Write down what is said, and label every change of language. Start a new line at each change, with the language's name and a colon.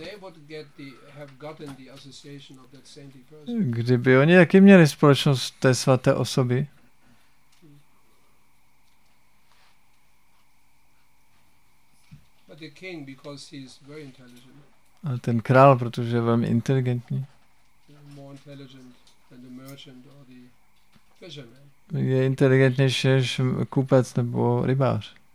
English: They would get the, have gotten the association of that saintly person.
Czech: Kdyby oni taky měli společnost té svaté osoby.
English: But the king, because he is very intelligent.
Czech: Ale ten král, protože je velmi inteligentní.
English: More intelligent than the merchant or the fisherman.
Czech: Je inteligentnější než kupec nebo rybář.